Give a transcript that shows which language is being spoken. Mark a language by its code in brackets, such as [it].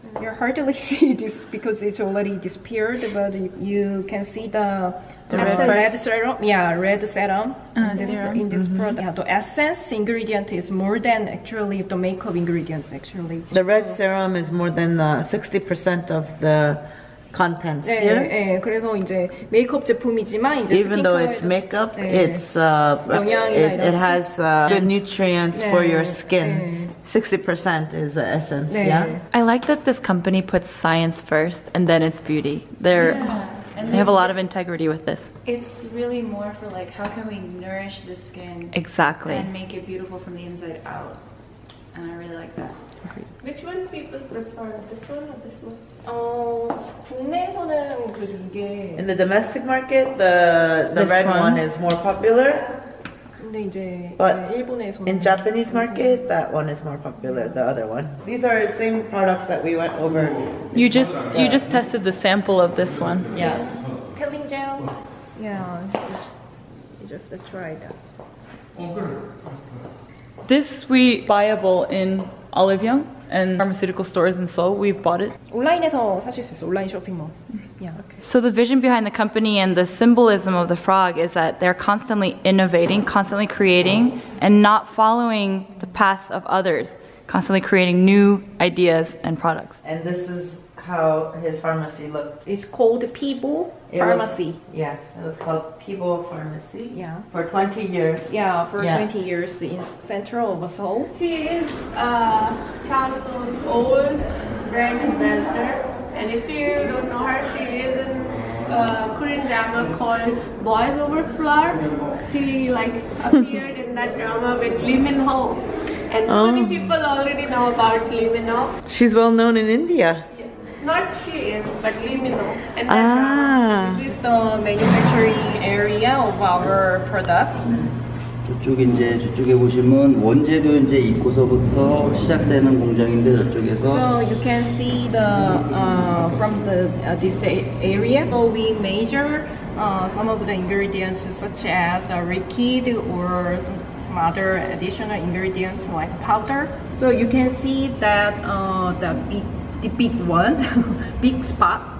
[en] You hardly see this because it's already disappeared, but you can see the red serum in this product. Yeah, the essence ingredient is more than actually the makeup ingredients, actually. The red serum is more than 60% of the contents here. [ko] 예, 예, 그래서 이제 메이크업 제품이지만 이제 [en] Even though it's makeup, 예. It's it has good nutrients 예. For your skin. 예. 60% is the essence, 네. Yeah? I like that this company puts science first and then it's beauty. They have a lot of integrity with this. It's really more for like, how can we nourish the skin exactly and make it beautiful from the inside out. And I really like that. Okay. Which one people prefer, this one or this one? [ko] 국내에서는 그 이게 [en] In the domestic market, the red one is more popular. [ko] 근데 이제 [en] But [ko] 네, 일본에서는 [en] In Japanese market, that one is more popular, the other one. These are the same products that we went over. You just tested the sample of this one. Yeah. Peeling gel. Yeah. Just a try that. This sweet buyable in Olive Young and pharmaceutical stores in Seoul, we've bought it. [ko] 온라인에서 사실 수 있어, 온라인 쇼핑몰. [en] Yeah, okay. So the vision behind the company and the symbolism of the frog is that they're constantly innovating, constantly creating, and not following the path of others, constantly creating new ideas and products. And this is how his pharmacy looked. It's called People Pharmacy. Yes, it was called People Pharmacy. Yeah. For 20 years. Yeah, for 20 years in central of Seoul. She is Charmzone's old brand ambassador. And if you don't know her, she is in a Korean drama called Boys Over Flower. She like appeared in that drama with Lee Min Ho. And so many people already know about Lee Min Ho. She's well known in India. Not she is, but Lee Min Ho. And this is the manufacturing area of our products. [ko] 저쪽 이제 저쪽에 보시면 원재료 이제 입구서부터 시작되는 공장인데 저쪽에서 [en] So you can see the from the this area so we measure some of the ingredients such as liquid or some other additional ingredients like powder. So you can see that the big one big spot.